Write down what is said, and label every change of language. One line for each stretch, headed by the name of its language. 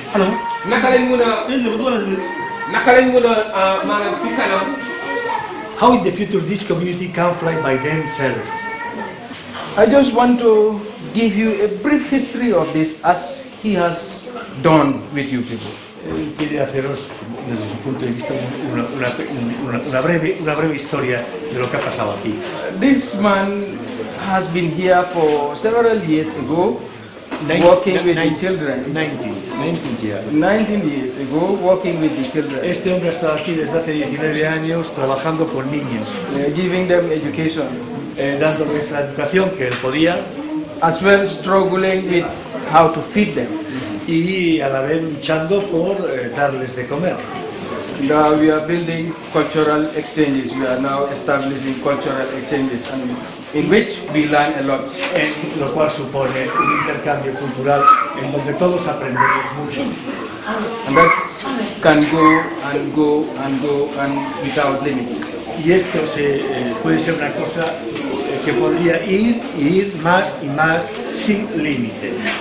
Wolof: hello naka lañ mëna manam ci kanam
English: how in the future this community can fly by themselves. I just want to give you a brief history of this as he has done with you people.
Spanish: Quiere haceros, desde su punto de vista, una breve historia de lo que ha pasado aquí.
English: This man has been here for several years ago, working with the children. 19 years ago, working with the children.
Spanish: Este hombre ha estado aquí desde hace 19 años, trabajando con niños.
English: Giving them education.
Spanish: Dándoles la educación que él podía.
English: As well struggling with how to feed them.
Spanish: Y a la vez luchando por darles de comer.
English: Now we are building cultural exchanges. We are now establishing cultural exchanges in which we learn a lot.
Spanish: Lo cual supone un intercambio cultural en donde todos aprendemos mucho.
English: And this can go and go and go and without limits.
Spanish: Y esto se puede ser una cosa que podría ir y ir más y más sin límite.